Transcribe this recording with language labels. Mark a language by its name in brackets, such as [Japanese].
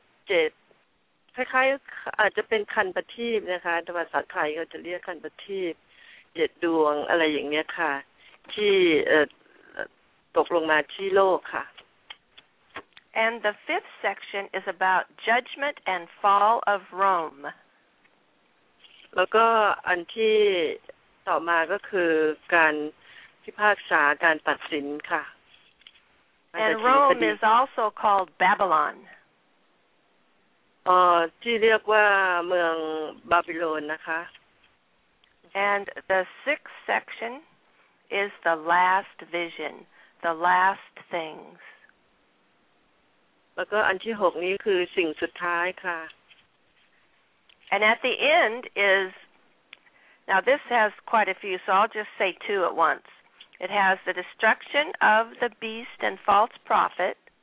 [Thai] จ็บคล้ายๆอาจจะเป็นคันประทีปนะคะภาษาไทยเขาจะเรียกคันประทีปเจ็ดดวงอะไรอย่างเงี้ยค่ะที่ตกลงมาที่โลกค่ะ [English] And the fifth section is about judgment and fall of Rome [Thai] แล้วก็อันที่ต่อมาก็คือการพิพากษาการตัดสินค่ะ [English] And Rome is also called Babylon [Thai] ที่เรียกว่าเมืองบาบิโลนนะคะ [English] And the sixth section is the last vision, the last things. [Thai] แล้วก็อันที่หกนี้คือสิ่งสุดท้ายค่ะ [English] And at the end is, now this has quite a few, so I'll just say two at once. It has the destruction of the beast and false prophet.